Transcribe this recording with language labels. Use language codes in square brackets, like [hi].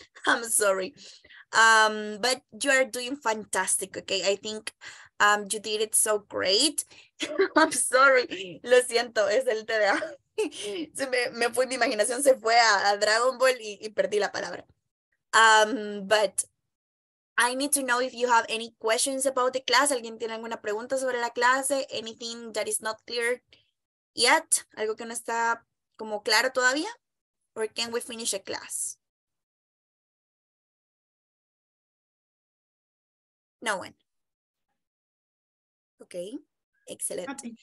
[en] I'm sorry. But you are doing fantastic, okay? I think you did it so great. I'm sorry. [es] Lo siento, es el TDA. me fui, mi imaginación se fue a Dragon Ball y perdí la palabra. [en] But I need to know if you have any questions about the class. [es] ¿Alguien tiene alguna pregunta sobre la clase? [en] Anything that is not clear yet? [es] Algo que no está como claro todavía, [en] or can we finish a class? No one. Okay, excellent.